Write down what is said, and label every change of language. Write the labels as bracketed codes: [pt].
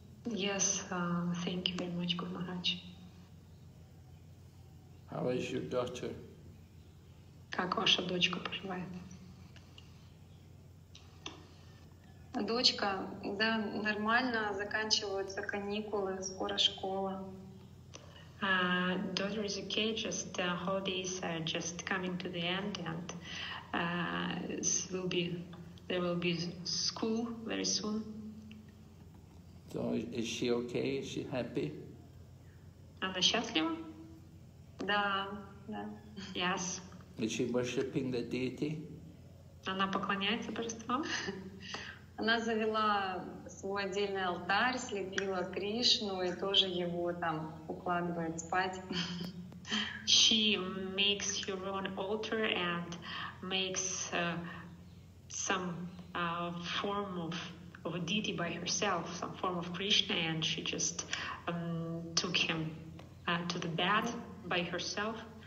[en] Yes, thank you very much, Гуру Махарадж. How is your daughter? [ru] Как ваша дочка поживает? Дочка, да, нормально, заканчиваются каникулы, скоро школа. [en] Daughter is okay, just holidays are just coming to the end, and there will be school very soon. So is she okay? Is she happy? [ru] Она счастлива? Да, да. [en] Yes. Is she worshipping the deity? [ru] Она поклоняется божествам. Она завела свой отдельный алтарь, слепила Кришну и тоже его там укладывает спать. [en] She makes her own altar and makes some form of a deity by herself, some form of Krishna, and she just took him to the bed by herself.